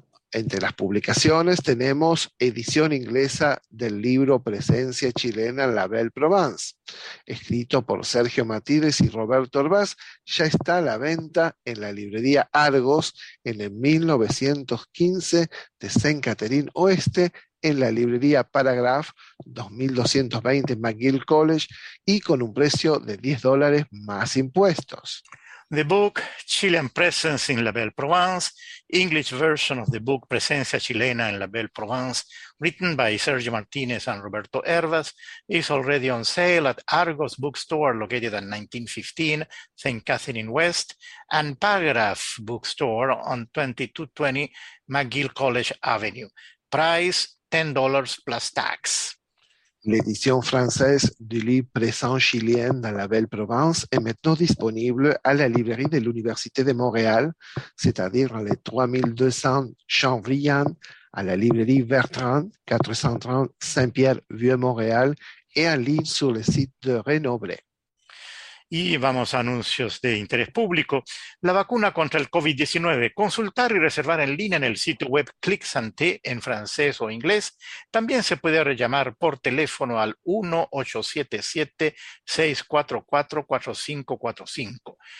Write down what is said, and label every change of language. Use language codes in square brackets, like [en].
[es] Entre las publicaciones tenemos edición inglesa del libro Presencia Chilena en la Belle Provence, escrito por Sergio Matides y Roberto Orbaz, ya está a la venta en la librería Argos en el 1915 de Saint-Catherine Oeste, en la librería Paragraph 2220 McGill College y con un precio de $10 más impuestos. [en] The book Chilean Presence in La Belle Provence, English version of the book Presencia Chilena en La Belle Provence, written by Sergio Martinez and Roberto Hervas, is already on sale at Argos Bookstore, located at 1915 St. Catherine West, and Paragraph Bookstore on 2220 McGill College Avenue. Price $10 plus tax. [fr] L'édition française du livre Présent chilien dans la Belle Provence est maintenant disponible à la librairie de l'Université de Montréal, c'est-à-dire les 3200 Champvrillan, à la librairie Bertrand, 430 Saint-Pierre-Vieux-Montréal et en ligne sur le site de Renoblet. [es] Y vamos a anuncios de interés público. La vacuna contra el COVID-19, consultar y reservar en línea en el sitio web Clic Santé en francés o inglés. También se puede llamar por teléfono al 1-877-644-4545.